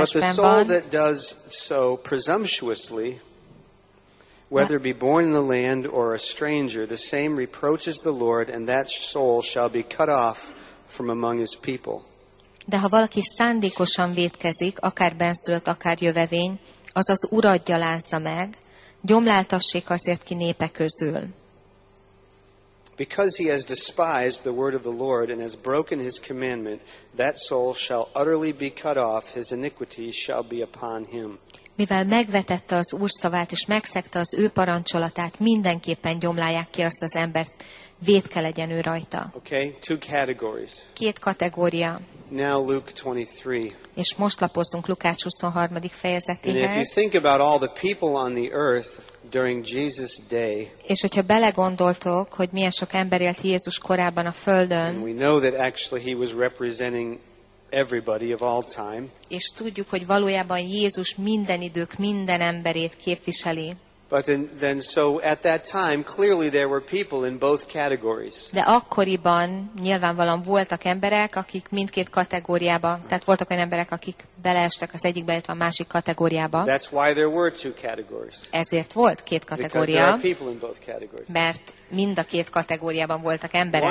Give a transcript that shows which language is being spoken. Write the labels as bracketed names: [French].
[English] But the soul that does so presumptuously, whether be born in the land or a stranger, the same reproaches the Lord, and that soul shall be cut off from among his people. [Hungarian] De ha valaki szándékosan vétkezik, akár benszült, akár jövevény, az az Urat gyalázza meg, gyomláltassék azért ki népe közül. [English] Because he has despised the word of the Lord and has broken his commandment, that soul shall utterly be cut off, his iniquity shall be upon him. [Hungarian] Mivel megvetette az Úr szavát és megszegte az ő parancsolatát, mindenképpen gyomlálják ki azt az embert, vétke legyen ő rajta. [English] Okay, two categories. [Hungarian] Két kategória. [English] Now Luke 23. [Hungarian] És most lapozzunk Lukács 23. fejezetéhez. [English] And if you think about all the people on the earth during Jesus day. [Hungarian] És hogyha belegondoltok, hogy milyen sok ember élt Jézus korában a földön. [English] We know that actually he was representing everybody of all time. [Hungarian] És tudjuk, hogy valójában Jézus minden idők minden emberét képviseli. [English] But then so at that time clearly there were people in both categories. [Hungarian] De akkoriban nyilvánvalóan voltak emberek, akik mindkét kategóriában, tehát voltak olyan emberek, akik beleestek az egyikbe, illetve a másik kategóriába. [English] That's why there were two categories. [Hungarian] Ezért volt két kategória. [English] Because there were people in both categories. [Hungarian] Mert mind a két kategóriában voltak emberek.